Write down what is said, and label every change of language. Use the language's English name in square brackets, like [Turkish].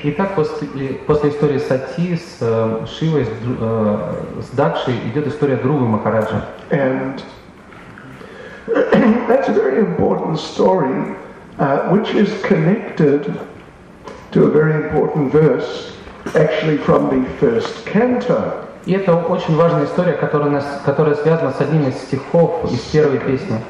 [Russian] Итак, после истории Сати с Шивой, с Дакшей идет история Друвы Махараджа. [English] And that's a very important story, which is connected to a very important verse, actually from the first canto. [Russian] И это очень важная история, которая связана с одним из стихов из первой песни.